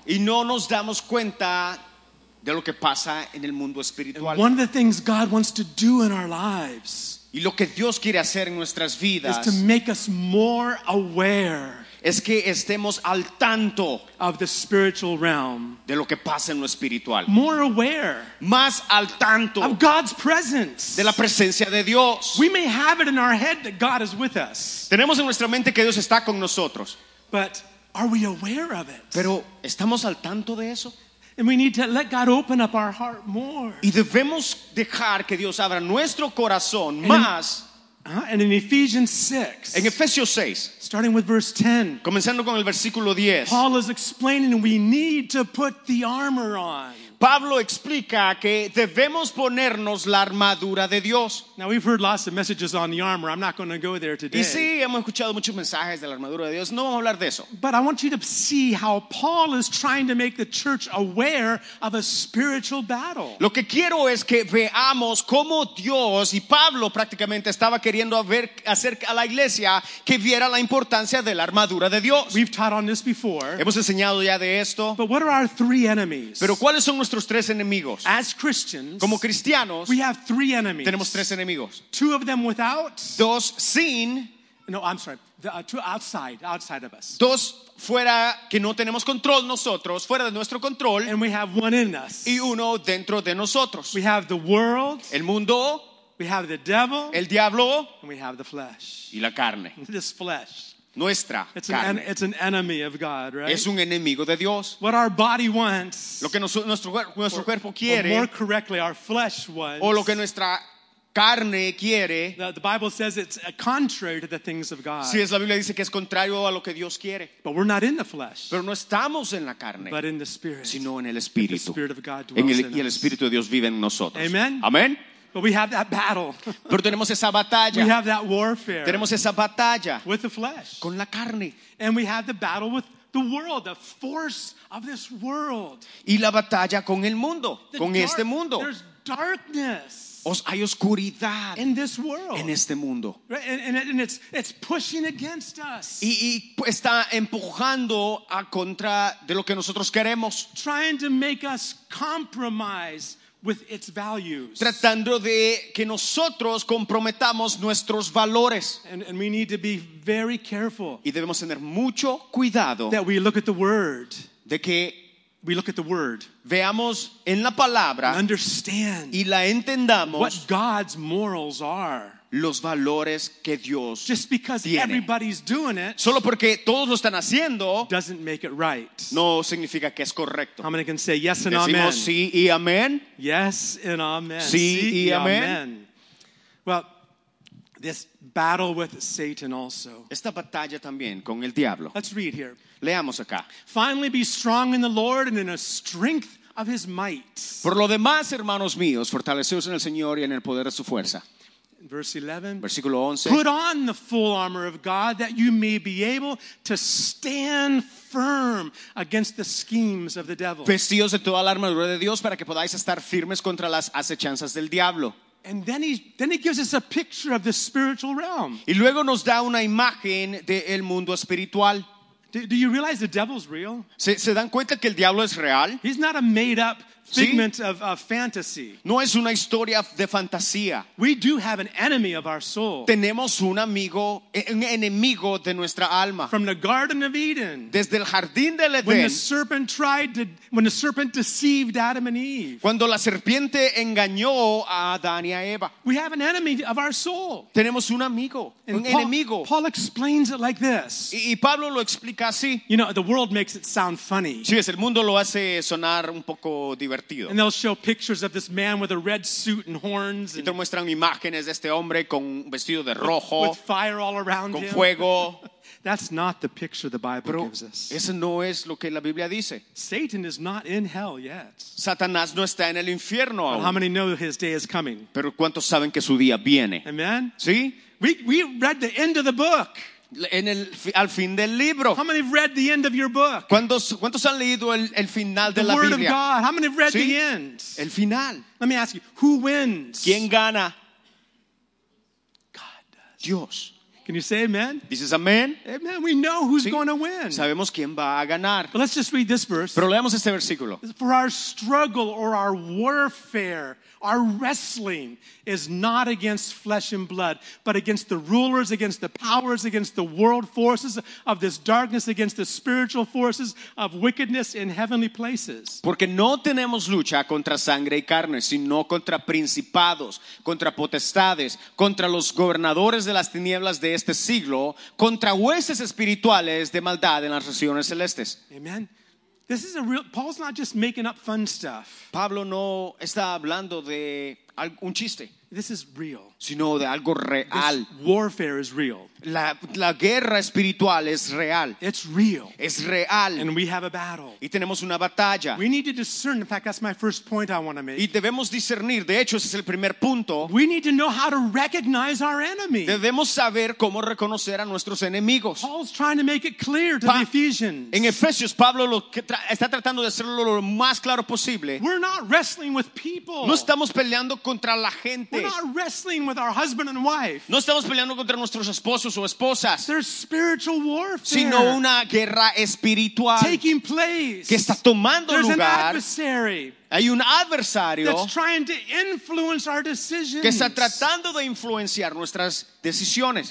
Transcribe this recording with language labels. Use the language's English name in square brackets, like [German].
[Spanish] Y no nos damos cuenta de lo que pasa en el mundo espiritual. [English] And one of the things God wants to do in our lives. [Spanish] Y lo que Dios quiere hacer en nuestras vidas. [English] Is to make us more aware. [Spanish] Es que estemos al tanto [English] of the spiritual realm, [Spanish] de lo que pasa en lo espiritual. [English] More aware, [Spanish] más al tanto [English] of God's presence, [Spanish] de la presencia de Dios. [English] We may have it in our head that God is with us. [Spanish] Tenemos en nuestra mente que Dios está con nosotros. [English] But are we aware of it? [Spanish] Pero ¿estamos al tanto de eso? [English] And we need to let God open up our heart more. [Spanish] Y debemos dejar que Dios abra nuestro corazón más. [English] And in Ephesians 6, [Spanish] en Efesios 6, [English] starting with verse 10, [Spanish] comenzando con el versículo 10, [English] Paul is explaining we need to put the armor on. [Spanish] Pablo explica que debemos ponernos la armadura de Dios. [English] Now we've heard lots of messages on the armor. I'm not going to go there today. [Spanish] Y sí, hemos escuchado muchos mensajes de la armadura de Dios. No vamos a hablar de eso. [English] But I want you to see how Paul is trying to make the church aware of a spiritual battle. [Spanish] Lo que quiero es que veamos cómo Dios y Pablo prácticamente estaba queriendo hacer a la iglesia que viera la importancia de la armadura de Dios. [English] We've taught on this before. [Spanish] Hemos enseñado ya de esto. [English] But what are our three enemies? [Spanish] Pero ¿cuáles son nuestros tres enemigos? [English] As Christians, [Spanish] como cristianos, [English] we have three enemies. [Spanish] Tenemos tres enemigos. [English] Two of them without. [Spanish] Dos sin. [English] No, I'm sorry. Two outside of us. [Spanish] Dos fuera que no tenemos control nosotros, fuera de nuestro control. [English] And we have one in us. [Spanish] Y uno dentro de nosotros. [English] We have the world. [Spanish] El mundo. [English] We have the devil. [Spanish] El diablo. [English] And we have the flesh. [Spanish] Y la carne. [English] This flesh. [Spanish] Nuestra [English] it's an, [Spanish] carne. [English] It's an enemy of God, right? [Spanish] Es un enemigo de Dios. [English] What our body wants, [Spanish] lo que nuestro cuerpo quiere, [English] or more correctly, our flesh wants, [Spanish] o lo que nuestra carne quiere, [English] the Bible says it's contrary to the things of God. [Spanish] Si es la Biblia dice que es contrario a lo que Dios quiere. [English] But we're not in the flesh, [Spanish] pero no estamos en la carne, [English] but in the Spirit, [Spanish] sino en el Espíritu. [English] The Spirit of God dwells in us. [Spanish] Y el Espíritu de Dios vive en nosotros. [English] Amen. [Spanish] Amen. [English] But we have that battle. [Spanish] Pero tenemos esa batalla. [English] We have that warfare. [Spanish] Tenemos esa batalla. [English] With the flesh. [Spanish] Con la carne. [English] And we have the battle with the world, the force of this world. [Spanish] Y la batalla con el mundo, con este mundo. [English] There's darkness. [Spanish] Hay oscuridad [English] in this world. [Spanish] En este mundo. [English] Right? And it's pushing against us. [Spanish] Y está empujando a contra de lo que nosotros queremos. [English] Trying to make us compromise with its values. [Spanish] Tratando de que nosotros comprometamos nuestros valores. [English] And we need to be very careful. [Spanish] Y debemos tener mucho cuidado. [English] That we look at the word. [Spanish] De que [English] we look at the word. [Spanish] Veamos en la palabra. [English] And understand. [Spanish] Y la entendamos. [English] What God's morals are. [Spanish] Los valores que Dios [English] just because [Spanish] tiene. [English] Everybody's doing it, [Spanish] solo porque todos lo están haciendo, [English] doesn't make it right. [Spanish] No significa que es correcto. [English] How many can say yes and [Spanish] decimos Sí y amén. [English] Yes and amen. [Spanish] Sí, sí y amén. [English] Well, this battle with Satan also. [Spanish] Esta batalla también con el diablo. [English] Let's read here. [Spanish] Leamos acá. [English] Finally, be strong in the Lord and in a strength of His might. [Spanish] Por lo demás, hermanos míos, fortaleceos en el Señor y en el poder de su fuerza. [English] Verse 11. [Spanish] Versículo 11. [English] Put on the full armor of God that you may be able to stand firm against the schemes of the devil. [Spanish] Vestidos de toda la armadura de Dios para que podáis estar firmes contra las acechanzas del diablo. [English] And then he gives us a picture of the spiritual realm. [Spanish] Y luego nos da una imagen del mundo espiritual. [English] Do you realize the devil's real? [Spanish] ¿Se dan cuenta que el diablo es real? [English] He's not a made-up figment of fantasy. [Spanish] No es una historia de fantasía. [English] We do have an enemy of our soul. [Spanish] Tenemos un enemigo de nuestra alma. [English] From the Garden of Eden. [Spanish] Desde el jardín del Edén. [English] When the serpent deceived Adam and Eve. [Spanish] Cuando la serpiente engañó a Adán y a Eva. [English] We have an enemy of our soul. [Spanish] Tenemos un amigo, [English] and [Spanish] un enemigo. [English] Paul explains it like this. [Spanish] Y Pablo lo explica así. [English] You know, the world makes it sound funny. [Spanish] Sí, es el mundo lo hace sonar un poco divertido. [English] And they'll show pictures of this man with a red suit and horns. [Spanish] Y te muestran imágenes de este hombre con un vestido de rojo. [English] With fire all around [Spanish] con [English] him. [Spanish] Con fuego. [English] That's not the picture the Bible [Spanish] Pero [English] gives us. [Spanish] Eso no es lo que la Biblia dice. [English] Satan is not in hell yet. [Spanish] Satanás no está en el infierno aún. [English] How many know his day is coming? [Spanish] Pero ¿cuántos saben que su día viene? [English] Amen. [Spanish] ¿Sí? [English] We read the end of the book. [Spanish] Al fin del libro. [English] How many have read the end of your book? [Spanish] ¿Cuántos han leído el final de la Biblia? [English] The word of God. How many have read the end? [Spanish] El final. [English] Let me ask you, who wins? [Spanish] ¿Quién gana? [English] God does. [Spanish] Dios. [English] Can you say amen? [Spanish] Dices amen. [English] Amen. We know who's going to win. [Spanish] Sabemos quién va a ganar. [English] But let's just read this verse. [Spanish] Pero leamos este versículo. [English] For our struggle or our warfare, our wrestling is not against flesh and blood, but against the rulers, against the powers, against the world forces of this darkness, against the spiritual forces of wickedness in heavenly places. [Spanish] Porque no tenemos lucha contra sangre y carne, sino contra principados, contra potestades, contra los gobernadores de las tinieblas de este siglo, contra huestes espirituales de maldad en las regiones celestes. [English] Amen. This is a real. Paul's not just making up fun stuff. [Spanish] Pablo no está hablando de un chiste. [English] This is real. [Spanish] Sino de algo real. [English] This warfare is real. [Spanish] La guerra espiritual es real. [English] It's real. [Spanish] Es real. [English] And we have a battle. [Spanish] Y tenemos una batalla. [English] We need to discern. In fact, that's my first point I want to make. [Spanish] Y debemos discernir. De hecho, ese es el primer punto. [English] We need to know how to recognize our enemy. [Spanish] Debemos saber cómo reconocer a nuestros enemigos. [English] Paul's trying to make it clear to the Ephesians. [Spanish] En Efesios, Pablo está tratando de hacerlo lo más claro posible. [English] We're not wrestling with people. [Spanish] No estamos peleando contra la gente. [English] We're not wrestling with our husband and wife. [Spanish] No estamos peleando contra nuestros esposos o esposas. [English] There's spiritual warfare. [Spanish] Sino una guerra espiritual. [English] Taking place. [Spanish] Que está tomando [English] There's [Spanish] lugar. [English] There's an adversary. [Spanish] Hay un adversario. [English] That's trying to influence our decisions. [Spanish] Que está tratando de influenciar nuestras decisiones.